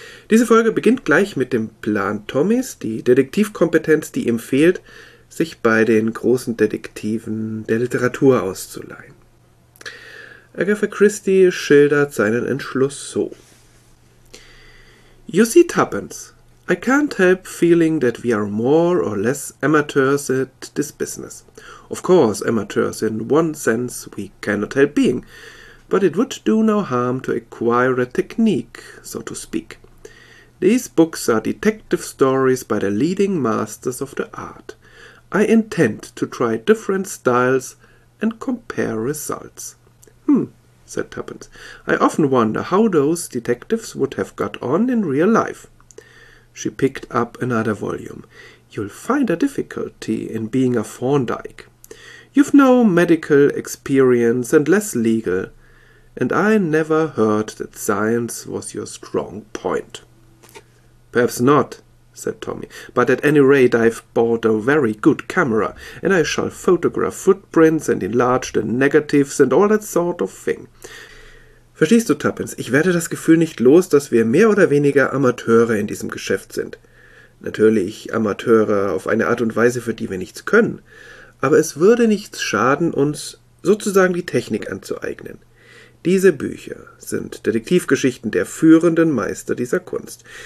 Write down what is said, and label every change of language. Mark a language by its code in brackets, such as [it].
[de] Diese Folge beginnt gleich mit dem Plan Tommys, die Detektivkompetenz, die ihm fehlt, sich bei den großen Detektiven der Literatur auszuleihen. Agatha Christie schildert seinen Entschluss so. [en] You see, Tuppence, I can't help feeling that we are more or less amateurs at this business. Of course, amateurs in one sense we cannot help being, but it would do no harm to acquire a technique, so to speak. These books are detective stories by the leading masters of the art. I intend to try different styles and compare results. Hmm, said Tuppence. I often wonder how those detectives would have got on in real life. She picked up another volume. You'll find a difficulty in being a Thorndike. You've no medical experience and less legal, and I never heard that science was your strong point. Perhaps not, said Tommy, but at any rate I've bought a very good camera, and I shall photograph footprints and enlarge the negatives and all that sort of thing. [de] Verstehst du, Tuppence, ich werde das Gefühl nicht los, dass wir mehr oder weniger Amateure in diesem Geschäft sind. Natürlich Amateure auf eine Art und Weise, für die wir nichts können, aber es würde nichts schaden, uns sozusagen die Technik anzueignen. Diese Bücher sind Detektivgeschichten der führenden Meister dieser Kunst.